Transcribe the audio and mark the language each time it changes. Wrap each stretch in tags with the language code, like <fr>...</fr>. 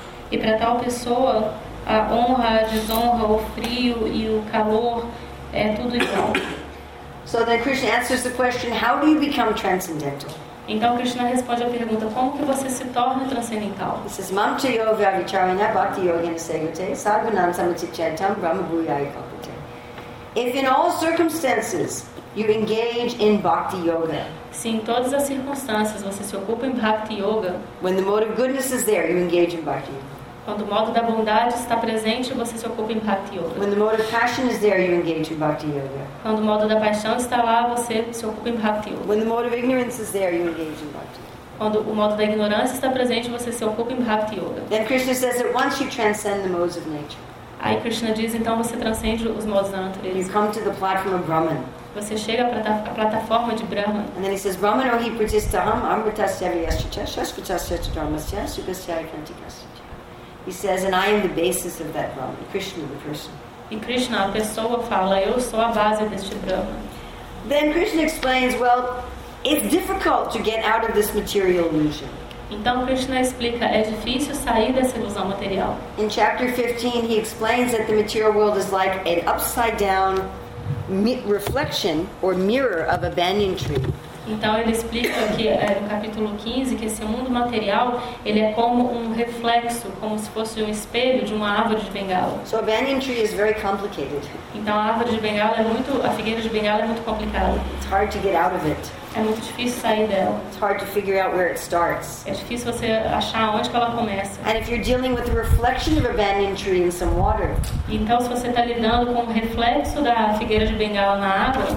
<pt>e para tal pessoa, a honra, a desonra, o frio e o calor é tudo igual.</pt> <en>So then Krishna answers the question, how do you become transcendental?</en> <pt>Então Krishna responde a pergunta, como que você se torna transcendental?</pt> <sa>He says, mamcha yoga avicharina bhakti yogena segute sarvanam samuchichetam brahma bhuyai kalpate.</sa> <en>If in all circumstances you engage in bhakti yoga,</en> <pt>se em todas as circunstâncias você se ocupa em bhakti yoga,</pt> <en>when the mode of goodness is there, you engage in bhakti yoga.</en> <pt>Quando o modo da bondade está presente, você se ocupa em bhakti yoga.</pt> <en>When the mode of passion is there, you engage in bhakti yoga.</en> <pt>Quando o modo da paixão está lá, você se ocupa em bhakti yoga.</pt> <en>When the mode of ignorance is there, you engage in bhakti yoga.</en> <pt>Quando o modo da ignorância está presente, você se ocupa em bhakti yoga.</pt> <en>Then Krishna says that once you transcend the modes of nature,</en> <pt>aí Krishna diz, então você transcende os modos da natureza.</pt> <en>You come to the platform of Brahman.</en> <pt>Você chega à plataforma de Brahman.</pt> <sa>And then he says, Brahman ohi pratistaham amritasya vyashtucha shaskutasya chadharmasya sukasya kantikasya.</sa> <en>He says, and I am the basis of that Brahma, Krishna, the person.</en> <pt>E Krishna, a pessoa fala, eu sou a base deste Brahma.</pt> <en>Then Krishna explains, well, it's difficult to get out of this material illusion.</en> <pt>Então Krishna explica, é difícil sair dessa ilusão material.</pt> <en>In chapter 15, he explains that the material world is like an upside down reflection or mirror of a banyan tree.</en> <pt>Então ele explica que no capítulo 15 que esse mundo material ele é como um reflexo, como se fosse um espelho de uma árvore de bengala.</pt> <en>So a banyan tree is very complicated.</en> <pt>Então a figueira de bengala é muito complicada.</pt> <en>It's hard to get out of it.</en> <pt>É muito difícil sair dela.</pt> <en>It's hard to figure out where it starts.</en> <pt>É difícil você achar onde que ela começa.</pt> <en>And if you're dealing with the reflection of a banyan tree in some water,</en> <pt>então se você está lidando com o reflexo da figueira de bengala na água,</pt>